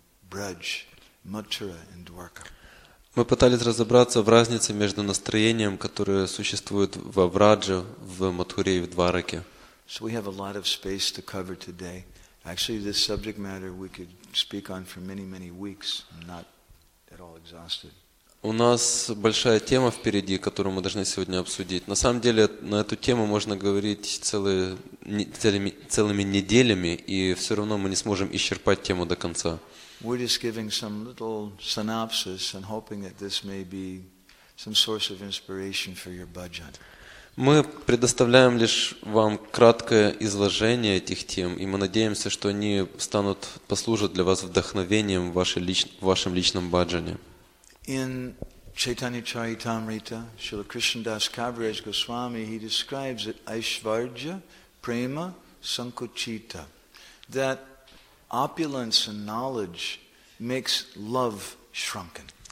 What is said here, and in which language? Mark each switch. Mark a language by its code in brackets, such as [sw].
[ru] Мы пытались разобраться в разнице между настроением, которое существует во Врадже, в Матхуре и в Двараке. [en] So we have a lot of space to cover today. Actually, this subject matter we could speak on for many, many weeks, not at all exhausted. [ru] У нас большая тема впереди, которую мы должны сегодня обсудить. На самом деле, на эту тему можно говорить целыми неделями, и все равно мы не сможем исчерпать тему до конца. [en] We're just giving some little synopsis and hoping that this may be some source of inspiration for your bhajan. [ru] Мы предоставляем лишь вам краткое изложение этих тем, и мы надеемся, что они станут послужат для вас вдохновением в вашем личном баджане. [en] In Chaitanya Charitamrita, Srila Krishnadas Kaviraj Goswami, he describes it Aishvarja Prema Sankuchita, that opulence and knowledge makes love shrunken.